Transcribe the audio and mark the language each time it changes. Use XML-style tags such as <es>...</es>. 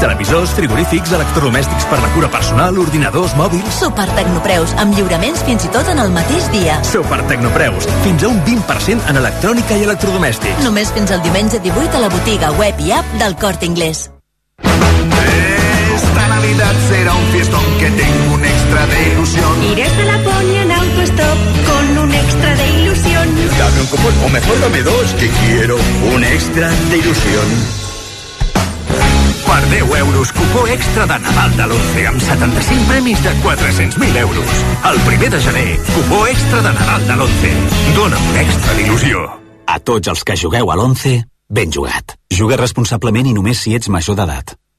<ca>Televisors, frigorífics, electrodomèstics per la cura personal, ordinadors, mòbils... Super tecnopreus. Amb lliuraments fins i tot en el mateix dia. Super tecnopreus. Fins a un 20% en electrònica i electrodomèstics. Només fins al diumenge 18 a la botiga web i app del Corte Inglés.</ca> <es>Esta Navidad será un fiestón que tengo un extra de ilusión. Iré hasta la Ponia en autostop con un extra de ilusión. Dame un cupón o mejor dame dos, que quiero un extra de ilusión.</es> <ca>Per 10 euros, cupó extra de Nadal de l'11 amb 75 premis de 400.000 euros. El 1 de gener, cupó extra de Nadal de l'11. Dona un extra d'il·lusió. A tots els que jugueu a l'11, ben jugat. Juga responsablement i només si ets major d'edat.</ca>